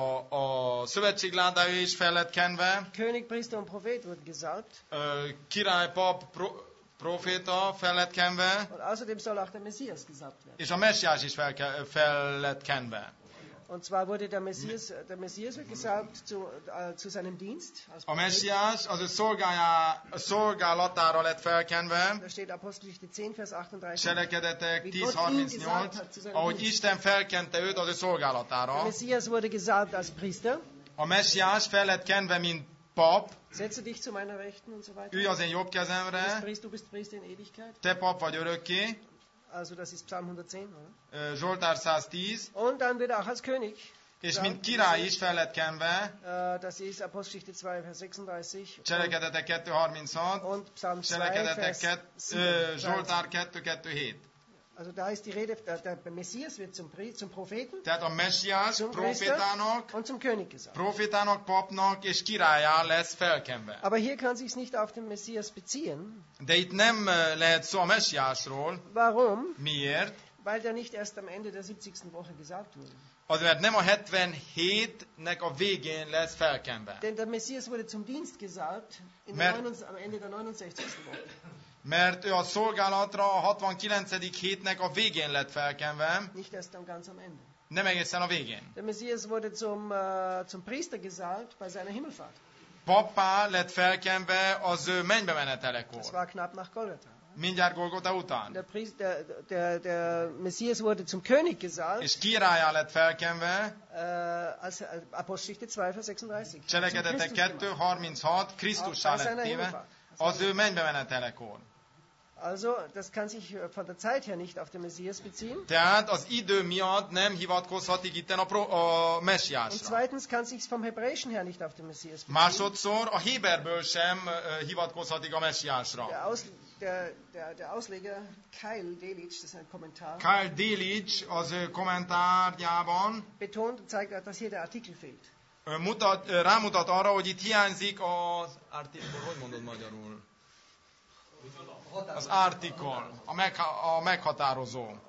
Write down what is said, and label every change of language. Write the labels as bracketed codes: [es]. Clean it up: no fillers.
[hu] A szövetség ládája is fel lett kenve. [de] König, Priester und Prophet wurde gesalbt. [hu] Király, pap, proféta fel lett kenve. [de] Und außerdem soll auch der Messias gesalbt werden. [hu] És a Messiás is fel lett kenve. [de] Und zwar wurde der Messias wird gesalbt zu seinem Dienst. [hu] A Messias, [de] also [hu] szolgálatára lett felkenve. [de] Da steht Apostelgeschichte 10, Vers 38. [hu] Cselekedetek 10:38, ahogy Isten felkente őt az ő szolgálatára. [de] A Messias wurde gesalbt als Priester. [hu] A Messias fel lett kenve, mint pap. [de] Setze dich zu meiner Rechten und so weiter. [hu] Ülj az én jobb kezemre. [de] Du bist Priester in Ewigkeit. [hu] Te pap vagy örökké. [de] Also das ist Psalm 110, oder? [hu] Zsoltár 110. [de] Und dann wird auch als König. [hu] És mint király is fel lett kenve. [de] Das ist Apostelgeschichte 2, Vers 36. [hu] Cselekedetek 2:36. [de] Und Psalm 2, Vers [hu] 7. Zsoltár 2:7. [de] Also da ist die Rede, der Messias wird zum Propheten. [hu] Tehát a Messias profétának. [de] Und zum König gesagt. [hu] Profétának, papnak és királyá lesz felkenve. [de] Aber hier kann sich's nicht auf den Messias beziehen. [hu] De itt nem lehet szó a Messiásról. [de] Warum? [hu] Miért? [de] Weil der nicht erst am Ende der 70. Woche gesagt wurde. [hu] Azért nem a 77-nek a végén lesz felkenve. [de] Denn der Messias wurde zum Dienst gesalbt am Ende der 69. Woche. [hu] Mert ő a szolgálatra a 69. hétnek a végén lett felkenve. [de] Nicht erst am ganz am Ende. [hu] Nem egészen a végén. [de] Der Messias wurde zum Priester gesalbt bei seiner Himmelfahrt. [hu] Pappá lett felkenve az ő mennybe menetelekor. [de] Das war knapp nach Golgotha. [hu] Mindjárt Golgotha után. [de] Der Messias wurde zum König gesalbt. [hu] És királyá lett felkenve. [de] Als Apostelgeschichte 2, Vers 36. [hu] Cselekedetek 2:36. Krisztussá lett téve. Az ő mennybe menetelekor. [de] Also, das kann sich von der Zeit her nicht auf den Messias beziehen. [hu] Tehát az idő miatt nem hivatkozhatik itten a Messiásra. [de] Und zweitens kann sich vom Hebräischen her nicht auf den Messias beziehen. [hu] Másodszor a héberből sem hivatkozhatik a Messiásra. [de] Der Ausleger Kyle Delitzsch, das ist ein Kommentar. [hu] Kyle Delitzsch az ő kommentárjában [de] betont, zeigt, dass hier der Artikel fehlt. [hu] Rámutat arra, hogy itt hiányzik az artikul, hogy mondod magyarul? Az artikul, a meghatározó.